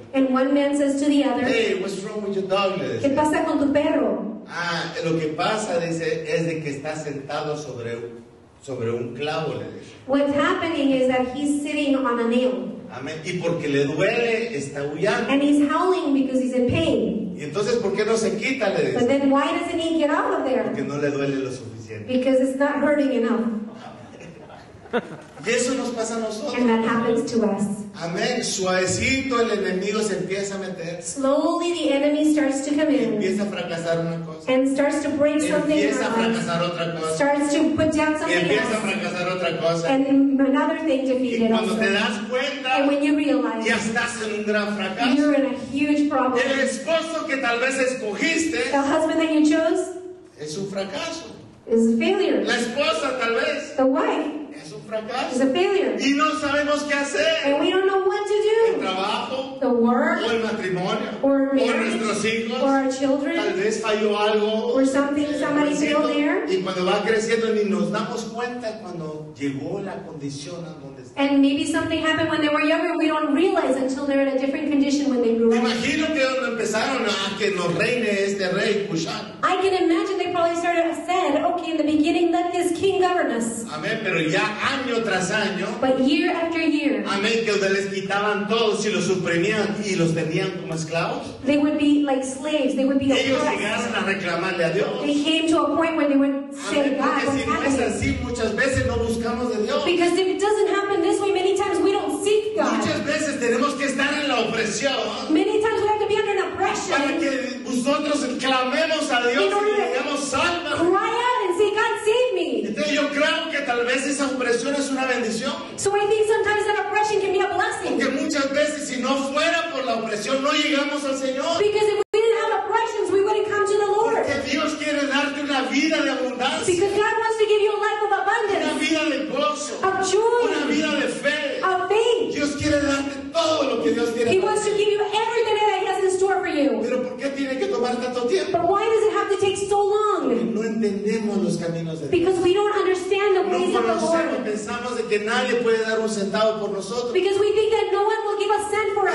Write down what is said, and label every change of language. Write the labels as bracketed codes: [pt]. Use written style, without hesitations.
[en] And one man says to the other, hey, what's wrong with your dog? [es] ¿Qué pasa con tu perro? Ah, lo que pasa, dice, es de que está sentado sobre un clavo, le dice. [en] What's happening is that he's sitting on a nail. [es] Amén. Y porque le duele, está huyendo. [en] And he's howling because he's in pain. [es] Y entonces, ¿por qué no se quita? Le dice. [en] But then why doesn't he get out of there? [es] Porque no le duele lo suficiente. [en] Because it's not hurting enough. [es] Y eso nos pasa a nosotros. [en] And that happens to us. [es] Amén. Suavecito el enemigo se empieza a meter. [en] Slowly the enemy starts to come in. [es] Y empieza a fracasar una cosa. [en] And starts to break [es] empieza [en] something else. [es] Empieza a fracasar otra cosa. [en] Starts to put down something [es] empieza [en] else. [es] A fracasar otra cosa. [en] And another thing defeated [es] y cuando [en] also. [es] Te das cuenta. [en] And when you realize. [es] Ya estás en un gran fracaso. [en] You're in a huge problem. [es] El esposo que tal vez escogiste. [en] The husband that you chose. [es] Es un fracaso. [en] Is a failure. [es] La esposa tal vez. [en] The wife. It's a failure. [es] Y no sabemos qué hacer. [en] And we don't know what to do. [es] El trabajo, [en] the work. [es] O el matrimonio, [en] or marriage. [es] O nuestros hijos, [en] or our children. [es] Tal vez falló algo, [en] or something somebody failed there. [es] Y cuando va creciendo, ni nos damos cuenta cuando llegó la condición a donde está. [en] And maybe something happened when they were younger. We don't realize until they're in a different condition when they grew up. [es] Imagino que donde empezaron a que nos reine este rey, Cushan. [en] I can imagine they probably started said, okay, in the beginning, let this king govern us. [es] Amén, pero ya. Año tras año, [en] but year after year, [es] amén, que ustedes les quitaban todos y los suprimían y los tenían como esclavos. [en] They would be like slaves. They would be oppressed. [es] Ellos llegaron a reclamarle a Dios. [en] They came to a point where they would say, [es] amén, [en] God, [es] si no es así, muchas veces no buscamos de Dios. [en] Because if it doesn't happen this way, many times we don't seek God. [es] Muchas veces tenemos que estar en la opresión. [en] Many times we have to be under an oppression. question. [es] Para que nosotros clamemos a Dios y digamos, sálvame. [en] Cry out and say, God, save me. [es] Entonces yo creo que tal vez esa opresión es una bendición. [en] So I think sometimes that oppression can be a blessing. [es] Porque muchas veces si no fuera por la opresión no llegamos al Señor. [en] Because if we didn't have oppressions, we wouldn't come to the Lord. [es] Porque Dios quiere darte una vida de abundancia. [en] Because God wants to give you a life of abundance. [es] Una vida de gozo. [en] Of joy. [es] Una vida de fe. [en] Of faith. [es] Dios quiere darte todo lo que Dios quiere. [en] He wants to give you everything that He has in store for you. [es] Pero ¿por qué tiene que tomar tanto tiempo? [en] But why does it have to take so long? [es] Porque no entendemos los caminos de Dios. [en] Because we don't understand the ways of the Lord. [es] Pensamos de que nadie puede dar un centavo por nosotros. [en] Because we think that no one will give a cent for us.